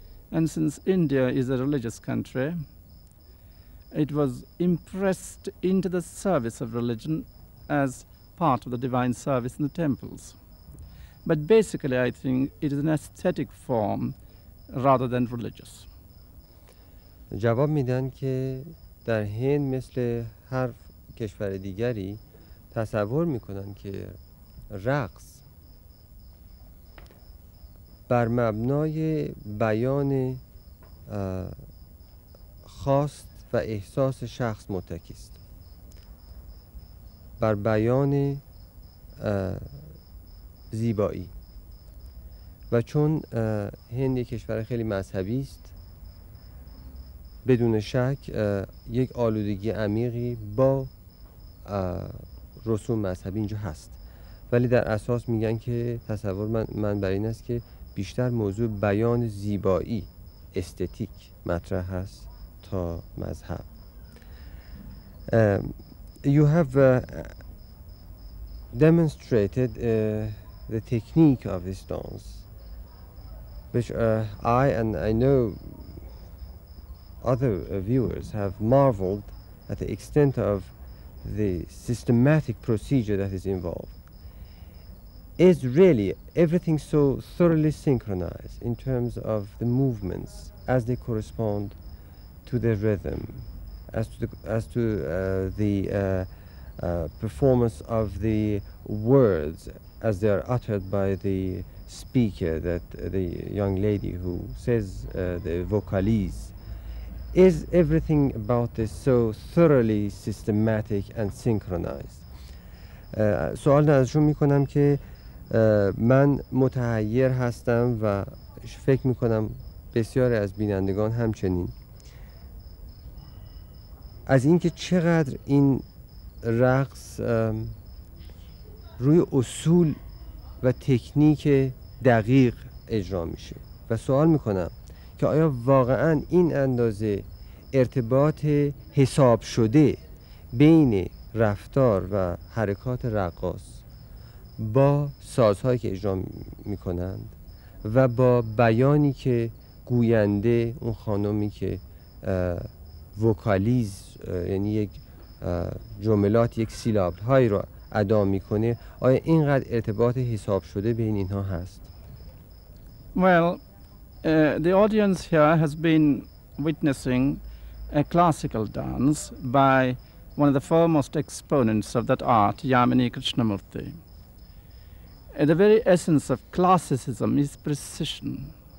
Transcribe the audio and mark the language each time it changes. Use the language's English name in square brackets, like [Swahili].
[English] And since India is a religious country, it was impressed into the service of religion as part of the divine service in the temples. But basically, I think it is an aesthetic form rather than religious. [Persian] جواب میدن که در هند مثل هر کشور دیگری تصور میکنن که رقص بر مبنای بیان خواست و احساس شخص متکی است، بر بیان زیبایی، و چون هند یک کشور خیلی مذهبی است بدون شک یک آلودگی عمیقی با رسوم مذهبی اینجا هست، ولی در اساس میگن که تصور من بر این است که بیشتر موضوع بیان زیبایی استتیک مطرح هست تا مذهب. [English] You have demonstrated the technique of this dance, which I know other viewers have marveled at the extent of the systematic procedure that is involved. Is really everything so thoroughly synchronized in terms of the movements as they correspond to the rhythm, as to the performance of the words as they are uttered by the speaker, that the young lady who says the vocalese? Is everything about this so thoroughly systematic and synchronized? [Persian] سوال ازشون میکنم که من متحیر هستم و فکر میکنم بسیاری از بینندگان همچنین، از اینکه چقدر این رقص روی اصول و تکنیک دقیق اجرا میشه، و سوال میکنم که آیا واقعا این اندازه ارتباط حساب شده بین رفتار و حرکات رقاص با سازهایی که اجرا میکنند و با بیانی که گوینده اون خانمی که وکالیز، یعنی یک جملات، یک سیلاب هایی را ادا میکنه، آیا اینقدر ارتباط حساب شده بین اینها هست؟ [English] Well, the audience here has been witnessing a classical dance by one of the foremost exponents of that art, Yamini Krishnamurti. The very essence of classicism is precision.